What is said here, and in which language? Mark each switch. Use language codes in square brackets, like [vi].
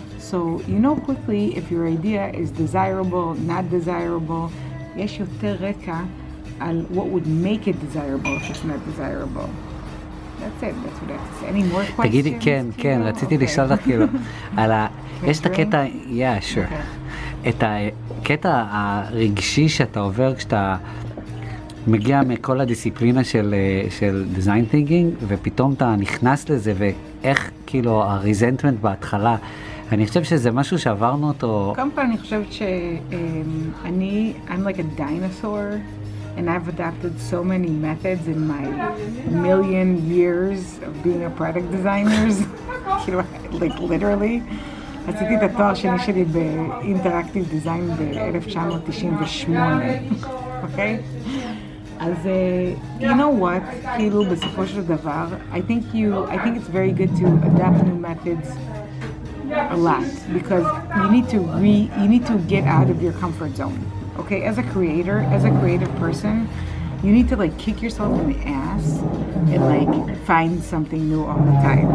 [en] So you know quickly if your idea is desirable, not desirable, [he] יש יותר רקע על [en] what would make it desirable if it's not desirable. That's it, that's what I have to say. Any more questions? [he] תגידי, כן, כאילו? כן, רציתי okay. לשאול לך, כאילו, על ה... יש את הקטע... [en] Yeah, sure. Okay. [he] את הקטע הרגשי שאתה עובר כשאתה מגיע מכל הדיסציפלינה של, של design thinking, ופתאום אתה נכנס לזה, ואיך, כאילו, הריזנטמנט בהתחלה. אני חושב שזה משהו שעברנו אותו... קודם כל, אני חושבת שאני... [en] I'm like a dinosaur. And I've adapted so many methods in my million years of being a product designer. like literally. [he] עשיתי את התואר שני שלי באינטראקטיב דיזיין ב-1998, אוקיי? [en] אז, you know what, [he] כאילו בסופו של דבר, [en] I think it's very good to adapt new methods a lot, because you need to get out of your comfort zone. Okay, as a creator, as a creative person, you need to like kick yourself in the ass and like find something new all the time.